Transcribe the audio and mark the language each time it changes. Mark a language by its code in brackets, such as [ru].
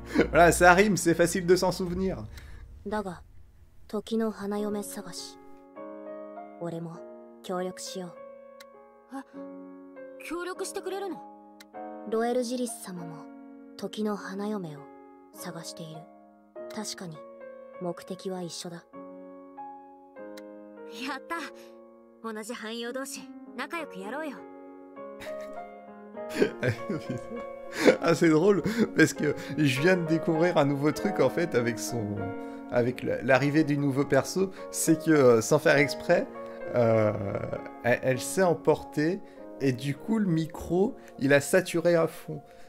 [fr] Voilà, ça rime, c'est facile de s'en souvenir. [ja] Daga. 時の花嫁探し。俺も協力しよう。あ、協力してくれるの？ロエルジリス様も時の花嫁を探している。確かに目的は一緒だ。やった。同じ汎用同士仲良くやろうよ。 [fr] Ah, c'est drôle, parce que je viens de découvrir un nouveau truc, en fait, avec son... avec l'arrivée du nouveau perso, c'est que, sans faire exprès, elle s'est emportée, et du coup, le micro, il a saturé à fond.